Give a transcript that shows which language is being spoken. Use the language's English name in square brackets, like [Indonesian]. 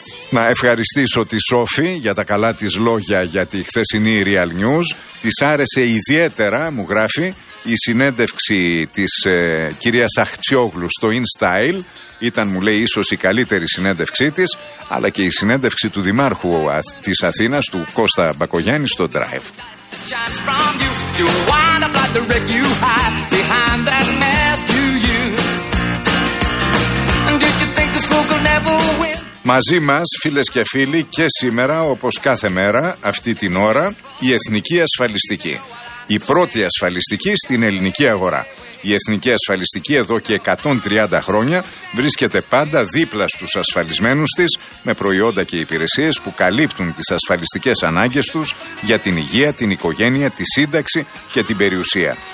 [Greek] Να ευχαριστήσω τη Σόφη για τα καλά της λόγια για τη χθεσινή Real News. Της άρεσε ιδιαίτερα, μου γράφει, η συνέντευξη της κυρίας Αχτσιόγλου στο InStyle. Ήταν, μου λέει, ίσως η καλύτερη συνέντευξή της, αλλά και η συνέντευξη του Δημάρχου της Αθήνας, του Κώστα Μπακογιάννη, στο Drive. [English] Shines from you, you wind up like the wreck you hide behind that mask you use. And did you think this fool could never win? [Greek] Μαζί μας, φίλες και φίλοι, και σήμερα, όπως κάθε μέρα, αυτή την ώρα, η Εθνική Ασφαλιστική. Η πρώτη ασφαλιστική στην ελληνική αγορά. Η Εθνική Ασφαλιστική εδώ και 130 χρόνια βρίσκεται πάντα δίπλα στους ασφαλισμένους της με προϊόντα και υπηρεσίες που καλύπτουν τις ασφαλιστικές ανάγκες τους για την υγεία, την οικογένεια, τη σύνταξη και την περιουσία.